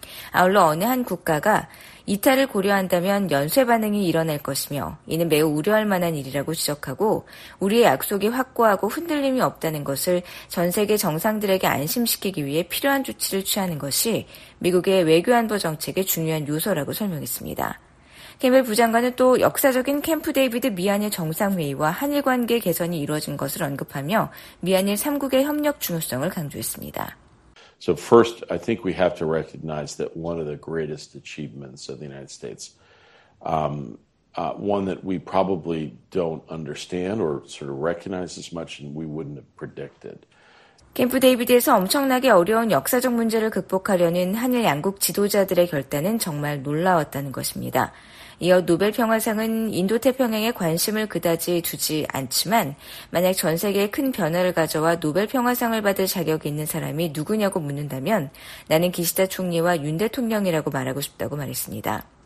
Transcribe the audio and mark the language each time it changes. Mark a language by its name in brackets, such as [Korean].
[Korean] 아울러 어느 한 국가가 이탈을 고려한다면 연쇄 반응이 일어날 것이며 이는 매우 우려할 만한 일이라고 지적하고 우리의 약속이 확고하고 흔들림이 없다는 것을 전 세계 정상들에게 안심시키기 위해 필요한 조치를 취하는 것이 미국의 외교안보 정책의 중요한 요소라고 설명했습니다. 캠벨 부장관은 또 역사적인 캠프 데이비드 미한일 정상회의와 한일 관계 개선이 이루어진 것을 언급하며 미한일 3국의 협력 중요성을 강조했습니다. [English] So first, I think we have to recognize that one of the greatest achievements of the United States, one that we probably don't understand or sort of recognize as much and we wouldn't have predicted. [Korean] 캠프 데이비드에서 엄청나게 어려운 역사적 문제를 극복하려는 한일 양국 지도자들의 결단은 정말 놀라웠다는 것입니다. 이어 노벨 평화상은 인도 태평양에 관심을 그다지 두지 않지만 만약 전 세계에 큰 변화를 가져와 노벨 평화상을 받을 자격이 있는 사람이 누구냐고 묻는다면 나는 기시다 총리와 윤 대통령이라고 말하고 싶다고 말했습니다.